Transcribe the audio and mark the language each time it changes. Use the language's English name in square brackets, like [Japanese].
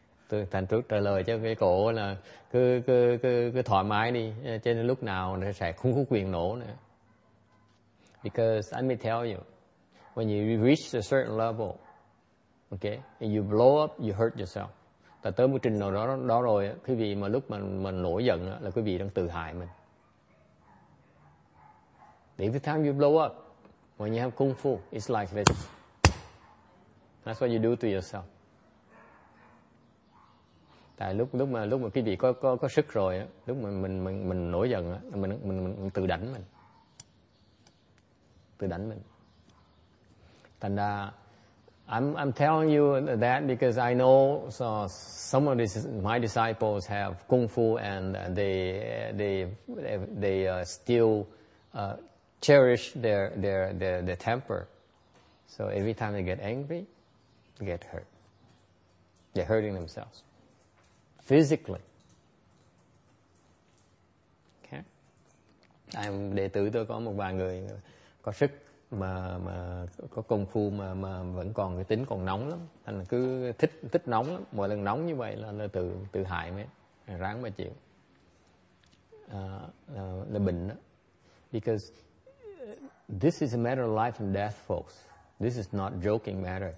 [Vietnamese] Tôi thành trước trả lời cho cái cổ là cứ thoải mái đi, cho nên lúc nào nó sẽ không có quyền nổ nữa. [English] Because let me tell you, when you reach a certain level, okay, and you blow up, you hurt yourself. [Vietnamese] Tại tới một trình nào đó rồi, quý vị mà lúc mình nổi giận là quý vị đang tự hại mình. [English] Every time you blow up, when you have kung fu, it's like this. That's what you do to yourself. [Vietnamese] Tại lúc mà quý vị có sức rồi á, lúc mà mình nổi giận á, mình tự đánh mình. Tự đánh mình. Thành ra [English] I'm telling you that because I know so some of these my disciples have kung fu and they still cherish their temper. So every time they get angry, they get hurt. They're hurting themselves. Physically. [Vietnamese] Okay. Đệ tử tôi có một vài người có sức mà có công phu mà vẫn còn cái tính còn nóng lắm, thành cứ thích nóng lắm, mỗi lần nóng như vậy là tự hại mới ráng mà chịu. Là bệnh đó. [English] Because this is a matter of life and death, folks. This is not joking matter.